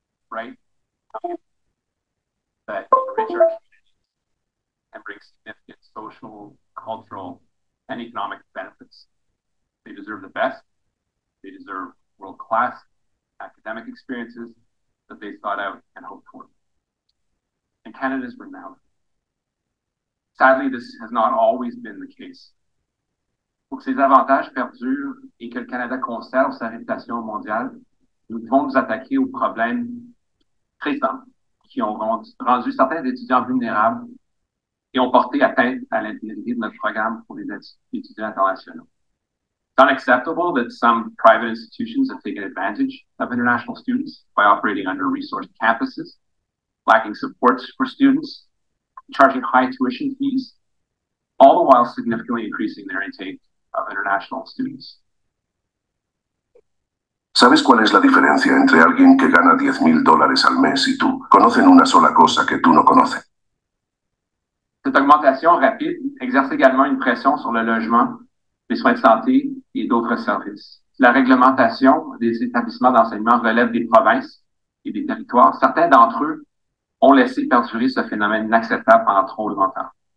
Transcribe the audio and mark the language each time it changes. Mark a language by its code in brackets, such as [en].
[en] Right, that creates reputation and brings significant social, cultural, and economic benefits. They deserve the best. They deserve world-class academic experiences that they thought out and hoped for. And Canada's renowned. Sadly, this has not always been the case. [fr] Pour que ces avantages perdurent et que le Canada conserve sa réputation mondiale, nous devons nous attaquer aux problèmes présents qui ont rendu certains étudiants vulnérables et ont porté atteinte à l'intégrité de notre programme pour les étudiants internationaux. [en] It's unacceptable that some private institutions have taken advantage of international students by operating under resourced campuses, lacking supports for students, charging high tuition fees, all the while significantly increasing their intake of international students. [es] ¿Sabes cuál es la diferencia entre alguien que gana $10,000 al mes y tú? Conocen una sola cosa que tú no conoces. [fr] Cette augmentation rapide exerce également une pression sur le logement, les soins de santé et d'autres services. La réglementation des établissements d'enseignement relève des provinces et des territoires. Certains d'entre eux ont laissé perdurer ce phénomène inacceptable pendant trop longtemps.